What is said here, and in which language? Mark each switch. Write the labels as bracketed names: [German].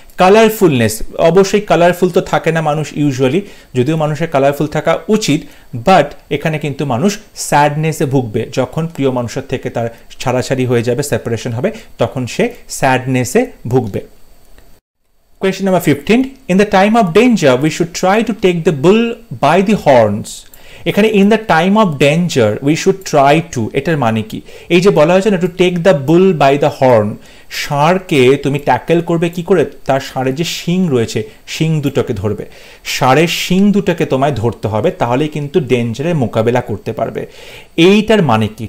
[Bangla] কালারফুলনেস, অবশ্যই কালারফুল তো থাকে না মানুষ ইউজুয়ালি, যদিও মানুষের কালারফুল থাকা উচিত, বাট এখানে কিন্তু মানুষ স্যাডনেসে ভুগবে, যখন প্রিয় মানুষের থেকে তার ছাড়াছাড়ি হয়ে যাবে, সেপারেশন হবে, তখন সে স্যাডনেসে ভুগবে। [English] Question number 15. In the time of danger, we should try to take the bull by the horns. [Bangla] এখানে [English] in the time of danger we should try to, [Bangla] এটার মানে কি? এই যে বলা হয়েছে না, [English] to take the bull by the horn, [Bangla] ষাঁড়কে তুমি ট্যাকেল করবে কি করে? তার ষাঁড়ের যে শিং রয়েছে, শিং দুটোকে ধরবে, ষাঁড়ের শিং দুটোকে তোমায় ধরতে হবে, তাহলে কিন্তু ডেঞ্জারের মোকাবেলা করতে পারবে। এইটার মানে কি?